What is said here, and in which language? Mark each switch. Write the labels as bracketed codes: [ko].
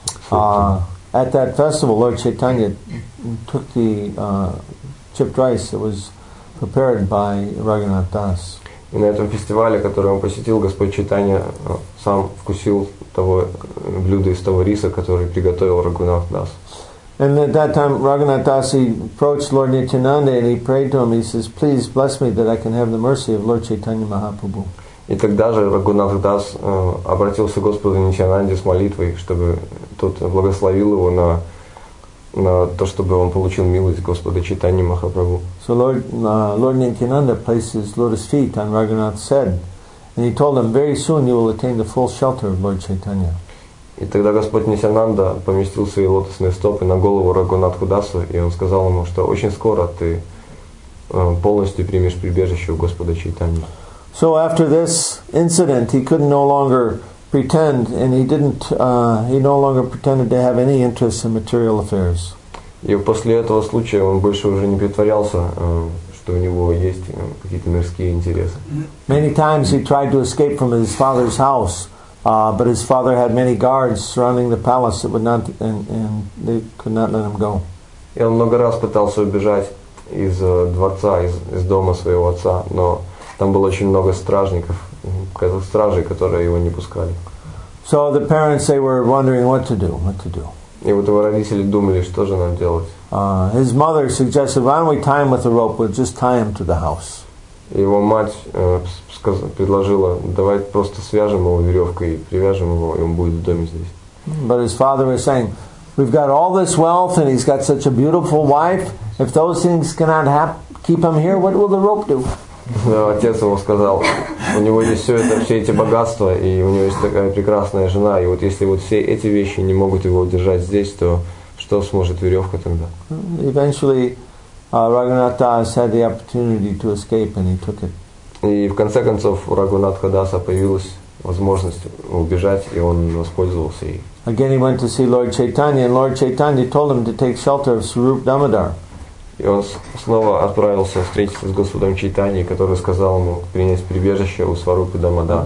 [en] At that festival, Lord Chaitanya took the chipped rice that was prepared by Raghunath Das. [ru] И на этом фестивале, который он посетил, Господь Чайтанья сам вкусил того блюда из того риса, который приготовил Raghunath Das. [en] And at that time, Raghunath Das approached Lord Nityananda and he prayed to him. He says, "Please bless me that I can have the mercy of Lord Chaitanya Mahaprabhu." [ru] И тогда же Raghunath Das обратился к Господу Нитянанде с молитвой, чтобы тот благословил его на то, чтобы он получил милость Господа Чайтанья Махапрабху. [en] So Lord Nityananda placed his lotus feet on Raghunath's head, and he told him, "Very soon you will attain the full shelter of Lord Chaitanya." [ru] И тогда Господь Нитянанда поместил свои лотосные стопы на голову Raghunath Dasa, и он сказал ему, что очень скоро ты полностью примешь прибежище у Господа Чайтанья. [en] So after this incident, he couldn't no longer pretend, and he didn't. He no longer pretended to have any interest in material affairs. [ru] И после этого случая он больше уже не притворялся, что у него есть какие-то мирские интересы. [en] Many times he tried to escape from his father's house, but his father had many guards surrounding the palace that would not, and they could not let him go. [ru] И он много раз пытался убежать из дворца, из дома своего отца, но там было очень много стражей, которые его не пускали. [en] So the parents, they were wondering what to do. [ru] И вот его родители думали, что же нам делать. [en] His mother suggested, "Why don't we tie him with a rope? We'll just tie him to the house." [ru] Его мать предложила, давай просто свяжем его веревкой и привяжем его, и он будет в доме здесь. [en] But his father was saying, "We've got all this wealth, and he's got such a beautiful wife. If those things cannot keep him here, what will the rope do?" [ru] Но отец ему сказал, у него есть все эти богатства, и у него есть такая прекрасная жена, и вот если вот все эти вещи не могут его удержать здесь, то что сможет веревка тогда? [en] Eventually, Raghunath Das had the opportunity to escape, and he took it. [ru] И в конце концов у Raghunath Dasa появилась возможность убежать, и он воспользовался ей. [en] Again, he went to see Lord Chaitanya, and Lord Chaitanya told him to take shelter of Swarup Damodar. [ru] И он снова отправился встретиться с Господом Чайтаньей, который сказал ему принять прибежище у Сварупы Дамодара.